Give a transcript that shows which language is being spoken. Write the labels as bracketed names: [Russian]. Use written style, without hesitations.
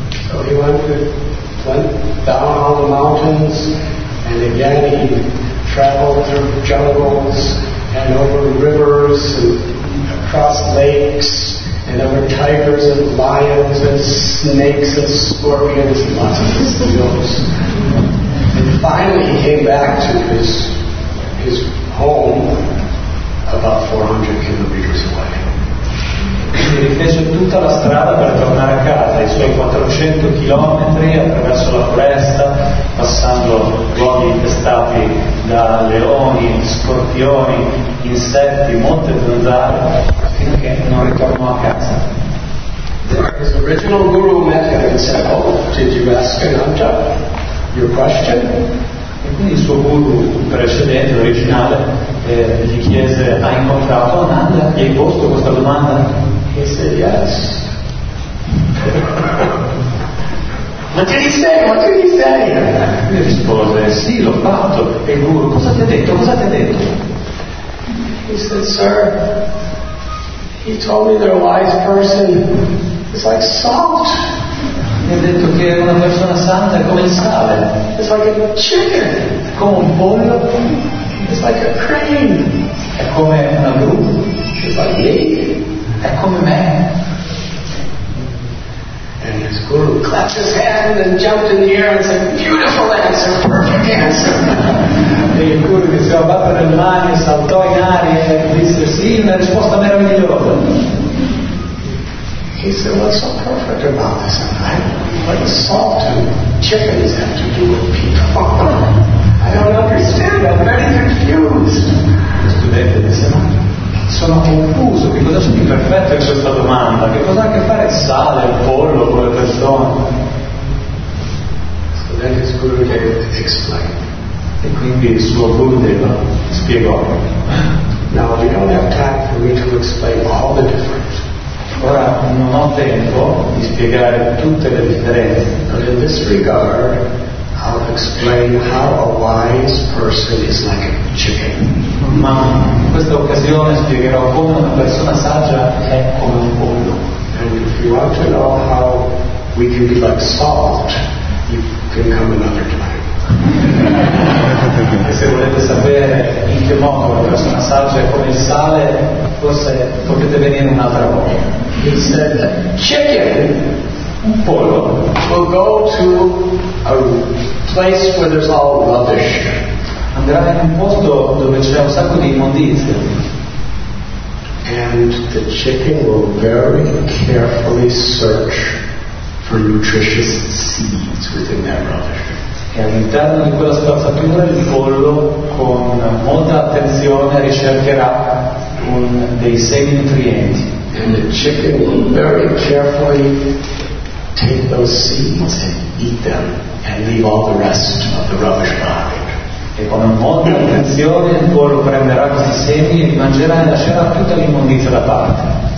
[English] So he went down all the mountains and again he traveled through jungles and over rivers and across lakes. And there were tigers and lions and snakes and scorpions and lots of mosquitoes. And finally he came back to his home about 400 kilometers away. [Italian] Quindi fece tutta la strada per tornare a casa, i suoi 400 chilometri attraverso la foresta, passando luoghi infestati da leoni, scorpioni, insetti, molte zanzare, finché non ritornò a casa. [English] His original guru met him and said, oh, did you ask Ananta your question? [Italian] E quindi il suo guru precedente, originale, gli chiese, hai incontrato Ananda? Gli hai posto questa domanda? [English] He said yes. What did he say? [Italian] Mi rispose, sì, l'ho fatto. E guru, cosa ti ha detto? [English] He said, sir, he told me that a wise person is like salt. [Italian] Mi ha detto che una persona santa è come il sale. [English] It's like a chicken. [Italian] Come un pollo. [English] It's like a crane. [Italian] È come una gru. [English] It's like me. [Italian] È come me. [English] And his guru clapped his hand and jumped in the air and said, beautiful answer, perfect answer. [Italian] E il guru che si è abbattuto nelle mani, saltò in aria e disse, sì, una risposta meravigliosa. [English] He said, what's so perfect about this? What does salt and chickens have to do with people? I don't understand, I'm very confused. [Italian] Il studente disse, ma sono confuso, che cosa c'è di perfetto in questa domanda? Che cosa ha a che fare il sale, il pollo con le persone? [English] So then his guru gave it explain. [Italian] E quindi il suo guru deva spiegò. [English] Now we don't have time for me to explain all the difference. [Italian] Ora non ho tempo di spiegare tutte le differenze. [English] But in this regard, I'll explain how a wise person is like a chicken. [Italian] Ma in questa occasione spiegherò come una persona saggia è come un pollo. [English] And if you want to know how we can be like salt, you can come another time. [Italian] E se volete sapere in che modo una persona saggia è come il sale, forse potete venire un'altra volta. [English] He said, chicken, [Italian] un pollo, [English] will go to a place where there's all rubbish. [Italian] Andrà in un posto dove c'è un sacco di immondizia. [English] And the chicken will very carefully search for nutritious seeds within that rubbish. [Italian] E all'interno di quella spazzatura il pollo con molta attenzione ricercherà dei semi nutrienti. [English] And the chicken will very carefully take those seeds and eat them and leave all the rest of the rubbish behind. [Italian] E con molta attenzione il pollo prenderà questi semi e li mangerà e lascerà tutta l'immondizia da parte.